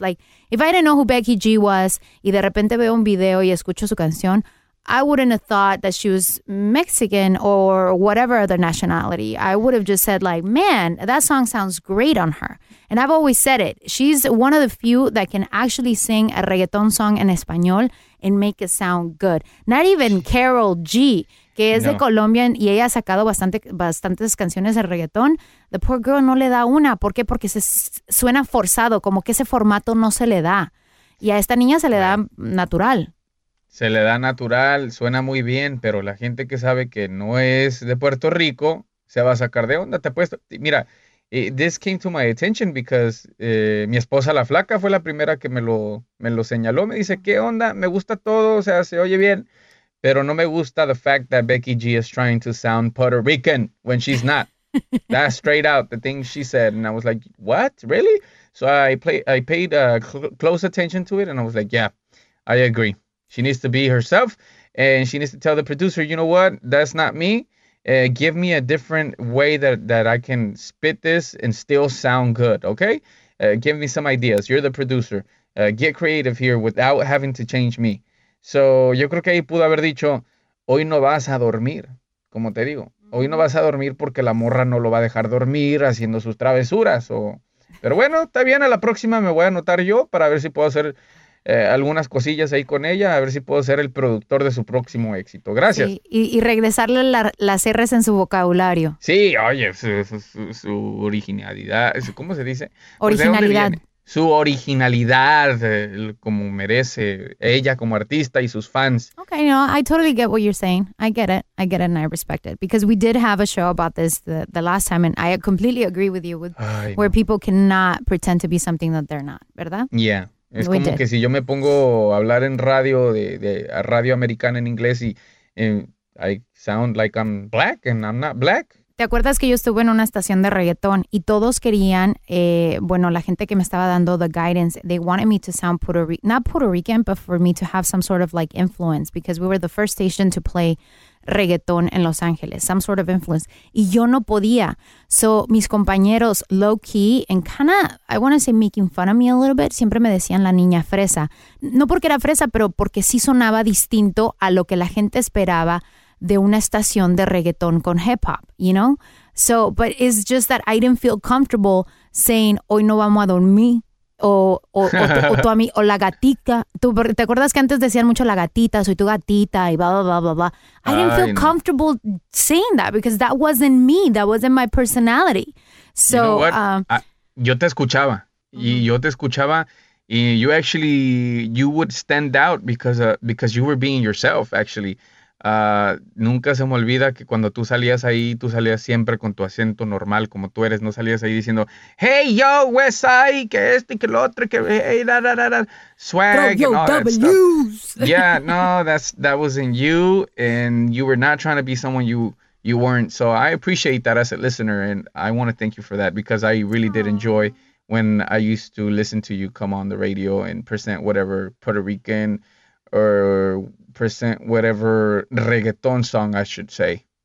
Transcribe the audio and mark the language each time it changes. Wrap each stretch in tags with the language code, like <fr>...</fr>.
<en>Like if I didn't know who Becky G was</en> <es>y de repente veo un video y escucho su canción,</es> <en>I wouldn't have thought that she was Mexican or whatever other nationality. I would have just said like, man, that song sounds great on her. And I've always said it. She's one of the few that can actually sing a reggaeton song in español and make it sound good. Not even</en> <es>Karol G, que es de Colombia y ella ha sacado bastantes canciones de reggaeton.</es> <en>The poor girl</en> <es>no le da una. ¿Por qué? Porque se suena forzado, como que ese formato no se le da. Y a esta niña se le da natural. Se le da natural, suena muy bien, pero la gente que sabe que no es de Puerto Rico se va a sacar de onda. Te apuesto. Mira,</es> <en>this came to my attention because</en> <es>mi esposa La Flaca fue la primera que me lo señaló. Me dice, ¿qué onda? Me gusta todo, o sea, se oye bien, pero no me gusta</es> <en>the fact that Becky G is trying to sound Puerto Rican when she's not. That's straight out the thing she said. And I was like, what? Really? So I paid close attention to it and I was like, yeah, I agree. She needs to be herself, and she needs to tell the producer, you know what, that's not me. Give me a different way that I can spit this and still sound good, okay? Give me some ideas. You're the producer. Get creative here without having to change me.</en> <es>So, yo creo que ahí pudo haber dicho, hoy no vas a dormir, como te digo. Hoy no vas a dormir porque la morra no lo va a dejar dormir haciendo sus travesuras. Pero bueno, está bien, a la próxima me voy a anotar yo para ver si puedo hacer... algunas cosillas ahí con ella, a ver si puedo ser el productor de su próximo éxito. Gracias. Sí, y regresarle las R's en su vocabulario. Sí, oye, su originalidad, ¿cómo se dice? Originalidad. Pues, su originalidad, como merece ella como artista y sus fans.</es> <en>Okay, no, I totally get what you're saying. I get it and I respect it. Because we did have a show about this the last time, and I completely agree with you, where people cannot pretend to be something that they're not, ¿verdad? Yeah.</en> <es>Es como que si yo me pongo a hablar en radio, de a radio americana en inglés y</es> <en>I sound like I'm black and I'm not black.</en> <es>¿Te acuerdas que yo estuve en una estación de reggaetón y todos querían, bueno, la gente que me estaba dando</es> <en>the guidance, they wanted me to sound not Puerto Rican, but for me to have some sort of like influence because we were the first station to play reggaetón</en> <es>en Los Ángeles,</es> <en>some sort of influence.</en> <es>Y yo no podía.</es> <en>So</en> <es>mis compañeros</es> <en>low key and kind of, I want to say making fun of me a little bit,</en> <es>siempre me decían la niña fresa. No porque era fresa, pero porque sí sonaba distinto a lo que la gente esperaba de una estación de reggaetón con hip hop,</es> <en>you know? So, but it's just that I didn't feel comfortable saying,</en> <es>hoy no vamos a dormir, o tú a mí, o la gatita. ¿Tú, te acuerdas que antes decían mucho la gatita, soy tu gatita, y blah, blah, blah, blah, blah?</es> <en>I didn't feel comfortable saying that because that wasn't me, that wasn't my personality. So, you know what?</en> <es>Yo te escuchaba, mm-hmm.</es> <en>Y you actually, you would stand out because you were being yourself, actually.</en> <es>Nunca se me olvida que cuando tú salías ahí, tú salías siempre con tu acento normal, como tú eres, no salías ahí diciendo, hey, yo, Westside, que este, que el otro, que, hey, da, da, da, da, swag, yo,</es> <en>and all W's. That stuff. Yeah, no, that wasn't you, and you were not trying to be someone you weren't, so I appreciate that as a listener, and I want to thank you for that, because I really did enjoy when I used to listen to you come on the radio and present whatever Puerto Rican or present whatever reggaeton song I should say.</en>